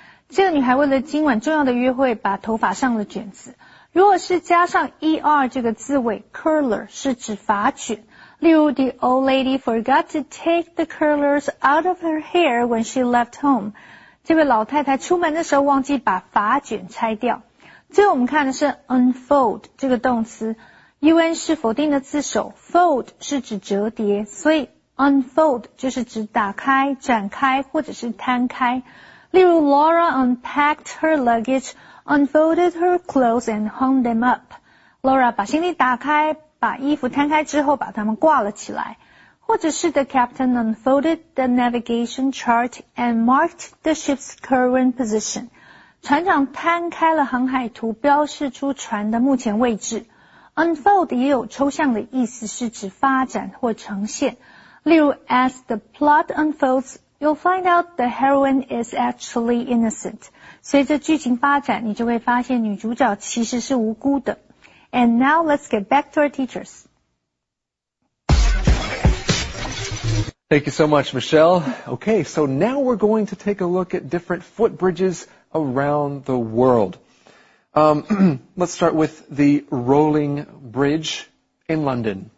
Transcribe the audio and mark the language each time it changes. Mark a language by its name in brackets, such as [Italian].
[Chinese] 这个女孩为了今晚重要的约会把头发上了卷子。如果是加上 er 这个字尾 curler 是指发卷。例如 [English] The old lady forgot to take the curlers out of her hair when she left home. [Chinese] 这位老太太出门的时候忘记把发卷拆掉。最后我们看的是 unfold 这个动词。un 是否定的字首 ,fold 是指折叠。所以 unfold 就是指打开、展开或者是摊开。例如 [English] Laura unpacked her luggage, unfolded her clothes and hung them up. [Chinese] Laura 把行李打开把衣服摊开之后把它们挂了起来。或者是 [English] The captain unfolded the navigation chart and marked the ship's current position. [Chinese] 船长摊开了航海图标示出船的目前位置。 Unfold 也有抽象的意思是指发展或呈现。例如 [English] As the plot unfolds, you'll find out the heroine is actually innocent. [Chinese] 随着剧情发展你就会发现女主角其实是无辜的。 [English] And now let's get back to our teachers. Thank you so much, Michelle. Okay, so now we're going to take a look at different footbridges around the world. let's start with the Rolling Bridge in London.